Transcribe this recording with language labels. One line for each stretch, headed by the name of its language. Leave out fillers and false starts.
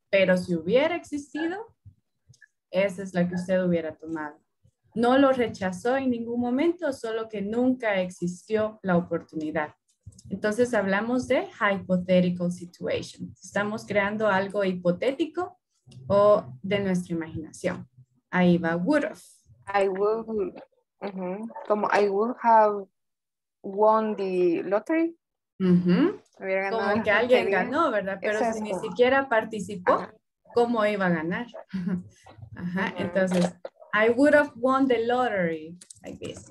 Spanish: Pero si hubiera existido, esa es la que usted hubiera tomado. No lo rechazó en ningún momento, solo que nunca existió la oportunidad. Entonces hablamos de
English: hypothetical situation.
Spanish: Estamos creando algo hipotético o de nuestra imaginación. Ahí va would have.
English: I would, como I would have won the lottery.
Spanish: Como que alguien ganó, ¿verdad? Pero si ni siquiera participó, ¿cómo iba a ganar?
English: Entonces, I would have won the lottery, like this.